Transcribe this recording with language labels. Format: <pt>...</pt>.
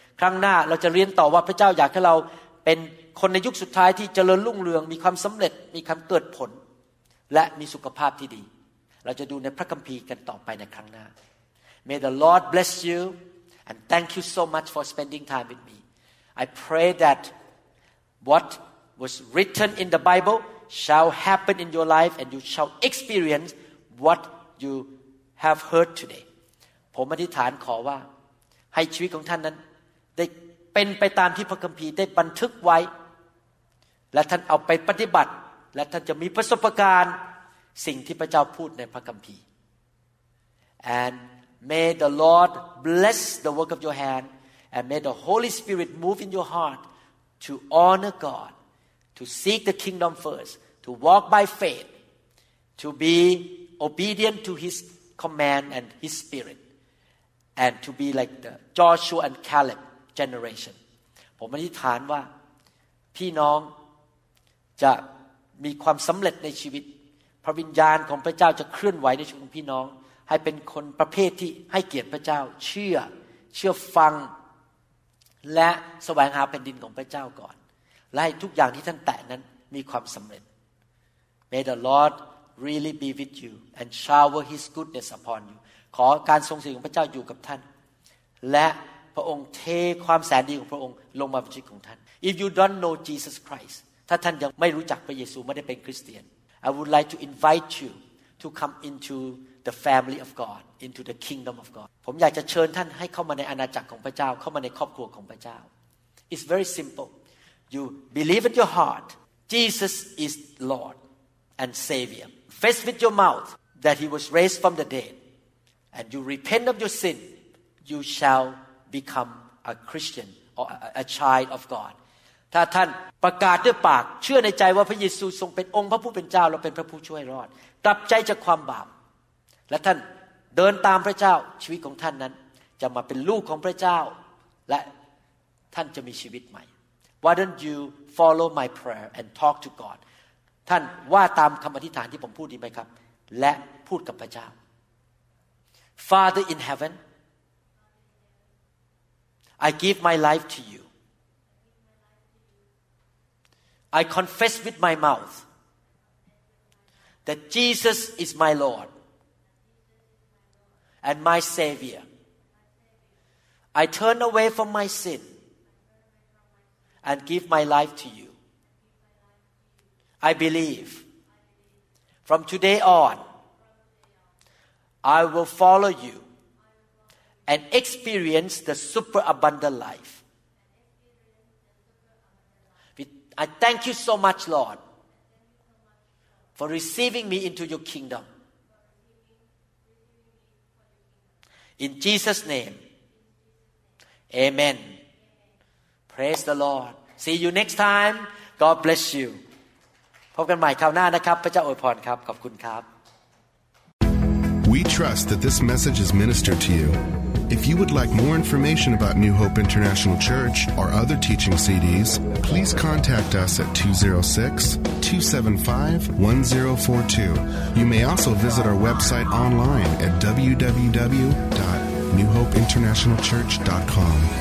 <th>ครั้งหน้าเราจะเรียนต่อว่าพระเจ้าอยากให้เราเป็นคนในยุคสุดท้ายที่เจริญรุ่งเรืองมีความสำเร็จมีความเกิดผลและมีสุขภาพที่ดีเราจะดูในพระคัมภีร์กันต่อไปในครั้งหน้า</th> <en>May the Lord bless you and thank you so much for spending time with me. I pray that what was written in the Bible shall happen in your life and you shall experience what you have heard today.</en> <th>ผมอธิษฐานขอว่าให้ชีวิตของท่านนั้นได้เป็นไปตามที่พระคัมภีร์ได้บันทึกไว้และท่านเอาไปปฏิบัติและท่านจะมีประสบการณ์สิ่งที่พระเจ้าพูดในพระคัมภีร์</th> <en>And may the Lord bless the work of your hand and may the Holy Spirit move in your heart to honor God, to seek the kingdom first, to walk by faith, to be obedient to His command and His Spirit, and to be like the Joshua and Caleb generation.</en> <th>ผมอธิษฐานว่าพี่น้องจะมีความสำเร็จในชีวิตพระวิญญาณของพระเจ้าจะเคลื่อนไหวในชีวิตของพี่น้องให้เป็นคนประเภทที่ให้เกียรติพระเจ้าเชื่อฟัง และแสวงหาแผ่นดินของพระเจ้าก่อนและให้ทุกอย่างที่ท่านแตะนั้นมีความสำเร็จ</th> <en>May the Lord really be with you and shower His goodness upon you</en> <th>ขอการทรงสิริของพระเจ้าอยู่กับท่านและพระองค์เทความแสนดีของพระองค์ลงมาบนชีวิตของท่าน</th> <en>If you don't know Jesus Christ</en> <th>ถ้าท่านยังไม่รู้จักพระเยซูไม่ได้เป็นคริสเตียน</th> <en>I would like to invite you to come intoThe family of God, into the kingdom of God.</en> <th>ผมอยากจะเชิญท่านให้เข้ามาในอาณาจักรของพระเจ้าเข้ามาในครอบครัวของพระเจ้า</th> <en>It's very simple. You believe in your heart, Jesus is Lord and Savior. Face with your mouth that He was raised from the dead, and you repent of your sin, you shall become a Christian or a child of God.</en> <th>ถ้าท่านประกาศด้วยปากเชื่อในใจว่าพระเยซูทรงเป็นองค์พระผู้เป็นเจ้าและเป็นพระผู้ช่วยรอดกลับใจจากความบาปและท่านเดินตามพระเจ้าชีวิตของท่านนั้นจะมาเป็นลูกของพระเจ้าและ ท่านจะมีชีวิตใหม่</th> <en>Why don't you follow my prayer and talk to God</en> <th>ท่านว่าตามคำอธิษฐานที่ผมพูดดีไหมครับและพูดกับพระเจ้า</th> <en>Father in heaven I give my life to you I confess with my mouth that Jesus is my LordAnd my Savior, I turn away from my sin and give my life to you. I believe from today on, I will follow you and experience the superabundant life. I thank you so much, Lord, for receiving me into your kingdom. In Jesus' name, Amen. Praise the Lord. See you next time. God bless you.</en> <th>พบกันใหม่คราวหน้านะครับพระเจ้าอวยพรครับขอบคุณครับ</th> <en>We trust that this message is ministered to you. If you would like more information about New Hope International Church or other teaching CDs, please contact us at 206-275-1042. You may also visit our website online at www.newhopeinternationalchurch.com.</en>